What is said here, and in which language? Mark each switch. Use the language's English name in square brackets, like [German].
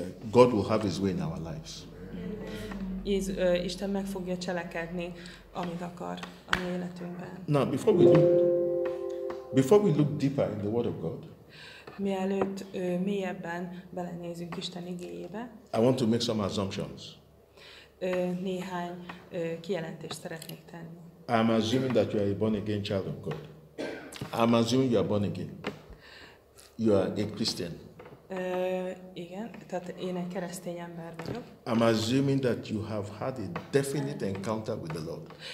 [English] God will have his way in our lives. [Hungarian] Isten meg fogja cselekedni, amit akar a mi életünkben. [English] Now, before we do. Before we look deeper in the Word of God, [Hungarian] mielőtt mélyebben belenézünk Isten igéjébe, [English] I want to make some assumptions. [Hungarian] néhány kijelentést szeretnék tenni. [English] I'm assuming that you are a born again child of God. I'm assuming you are born again. You are a Christian. [Hungarian] Igen, tehát én egy keresztény ember vagyok. [English] I'm assuming that you have had a definite encounter with the Lord.